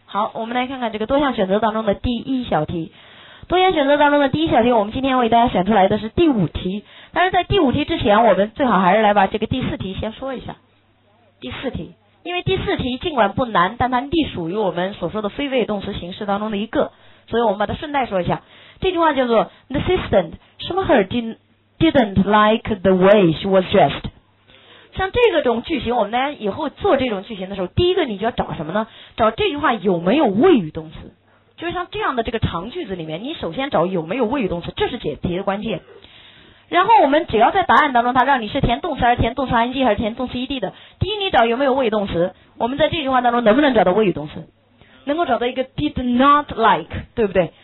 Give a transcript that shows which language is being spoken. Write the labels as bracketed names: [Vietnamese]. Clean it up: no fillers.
[Chinese] 好，我们来看看这个多项选择当中的第一小题。多项选择当中的第一小题，我们今天为大家选出来的是第五题。但是在第五题之前，我们最好还是来把这个第四题先说一下。第四题，因为第四题尽管不难，但它隶属于我们所说的非谓动词形式当中的一个，所以我们把它顺带说一下。这句话叫做 [English] The assistant Schumacher didn't like the way she was dressed。 [Chinese] 像这个种句型，我们大家以后做这种句型的时候，第一个你就要找什么呢？找这句话有没有谓语动词。就是像这样的这个长句子里面，你首先找有没有谓语动词，这是解题的关键。然后我们只要在答案当中，它让你是填动词还是填动词 ing 还是填动词 ed 的，第一你找有没有谓语动词，我们在这句话当中能不能找到谓语动词，能够找到一个 [English] did not like， [Chinese] 对不对？